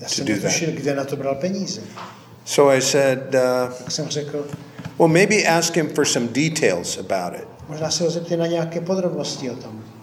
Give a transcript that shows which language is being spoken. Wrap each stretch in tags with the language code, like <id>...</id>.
<cs>Já jsem netušil, kde na to bral peníze.</cs> <en>So I said,</en> <cs>tak jsem řekl,</cs> <en>well, maybe ask him for some details about it.</en> <cs>Možná se ho zeptá na nějaké podrobnosti o tom.</cs>